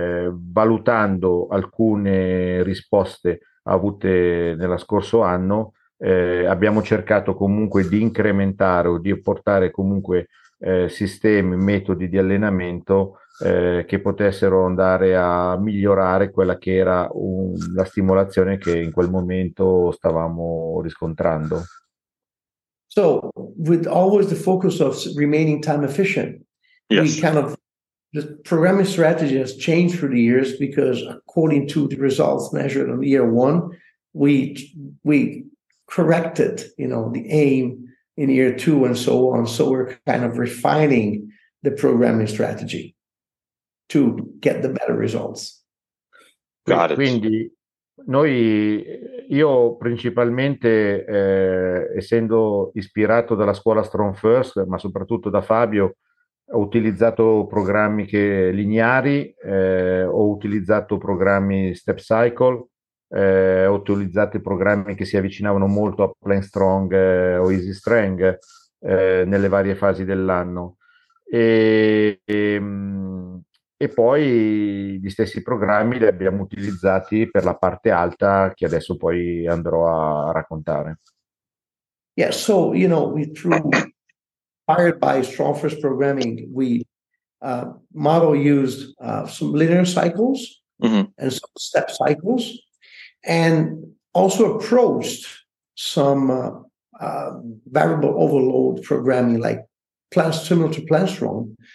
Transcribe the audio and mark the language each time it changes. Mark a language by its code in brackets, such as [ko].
[it] valutando alcune risposte avute nello scorso anno, abbiamo cercato comunque di incrementare o di portare comunque sistemi, metodi di allenamento che potessero andare a migliorare quella che era la stimolazione che in quel momento stavamo riscontrando. [en] So, with always the focus of remaining time efficient, yes, we kind of the programming strategy has changed through the years because according to the results measured on year one, we corrected, you know, the aim in year two and so on. So we're kind of refining the programming strategy to get the better results. Got it. [it] Quindi noi, io principalmente, essendo ispirato dalla scuola Strong First, ma soprattutto da Fabio, ho utilizzato programmi che lineari, ho utilizzato programmi Step Cycle, ho utilizzato programmi che si avvicinavano molto a Plank Strong o Easy Strength nelle varie fasi dell'anno. E poi gli stessi programmi li abbiamo utilizzati per la parte alta che adesso poi andrò a raccontare. [en] Yeah, so, you know, we through inspired by Strong First programming, we model used some linear cycles and some step cycles, and also approached some variable overload programming like plan similar to plan strong.